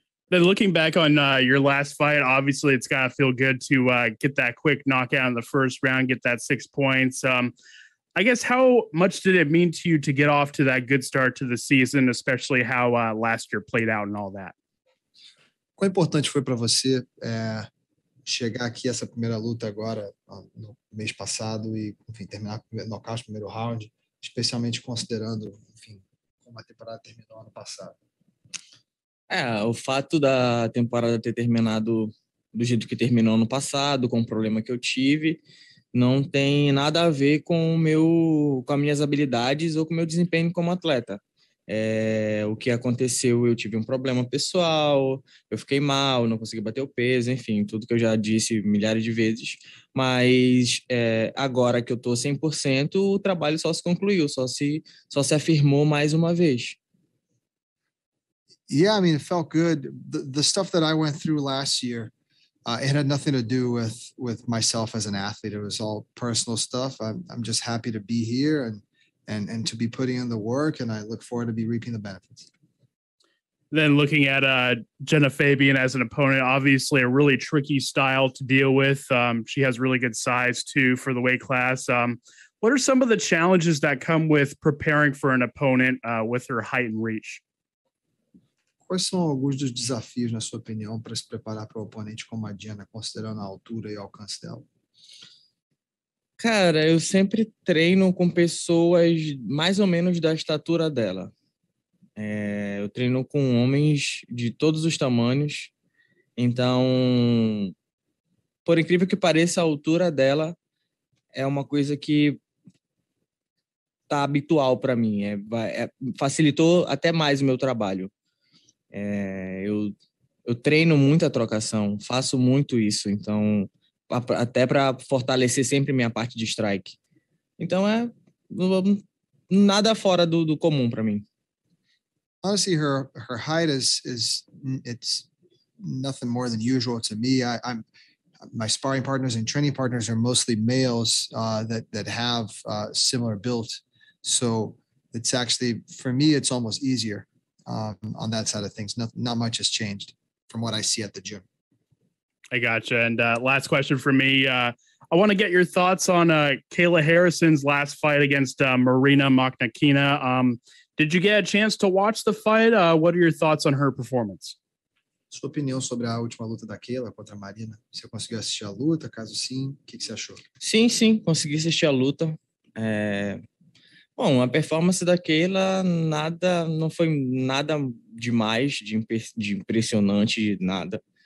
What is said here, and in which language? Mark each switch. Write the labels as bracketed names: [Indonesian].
[English] Then looking back on your last fight, obviously it's got to feel good to get that quick knockout in the first round, get that 6 points. I guess how much did it mean to you to get off to that good start to the season, especially how last year played out and all that? [Portuguese] Quão importante foi para você chegar aqui essa primeira luta agora no mês passado e enfim, terminar nocaute no primeiro round, especialmente considerando uma temporada terminou ano passado? O fato da temporada ter terminado do jeito que terminou ano passado, com o problema que eu tive, não tem nada a ver com as minhas habilidades ou com o meu desempenho como atleta. O que aconteceu, eu tive um problema pessoal, eu fiquei mal, não consegui bater o peso, enfim, tudo que eu já disse milhares de vezes, mas agora que eu tô 100%, o trabalho só se concluiu, só se afirmou mais uma vez. [English] Yeah, I mean, it felt good. The stuff that I went through last year, it had nothing to do with myself as an athlete. It was all personal stuff. I'm just happy to be here and to be putting in the work, and I look forward to be reaping the benefits. Then looking at Genah Fabian as an opponent, obviously a really tricky style to deal with. She has really good size too for the weight class. What are some of the challenges that come with preparing for an opponent with her height and reach? [Portuguese] Quais são alguns dos desafios, na sua opinião, para se preparar para o oponente como a Genah, considerando a altura e alcance dela? Cara, eu sempre treino com pessoas mais ou menos da estatura dela. Eu treino com homens de todos os tamanhos. Então, por incrível que pareça, a altura dela é uma coisa que tá habitual para mim. Facilitou até mais o meu trabalho. Eu treino muito a trocação, faço muito isso, então... até para fortalecer sempre minha parte de strike. Então nada fora do comum para mim. [English] Honestly, her height is it's nothing more than usual to me. I'm my sparring partners and training partners are mostly males that have similar built. So it's actually for me it's almost easier on that side of things. Not much has changed from what I see at the gym. I gotcha. And last question for me. I want to get your thoughts on Kayla Harrison's last fight against Marina Makhnakina. Did you get a chance to watch the fight? What are your thoughts on her performance? [Portuguese] Sua opinião sobre a última luta da Kayla contra a Marina. Você conseguiu assistir a luta? Caso sim, o que você achou? Sim. Consegui assistir a luta. A performance da Kayla não foi nada demais, de impressionante, de nada.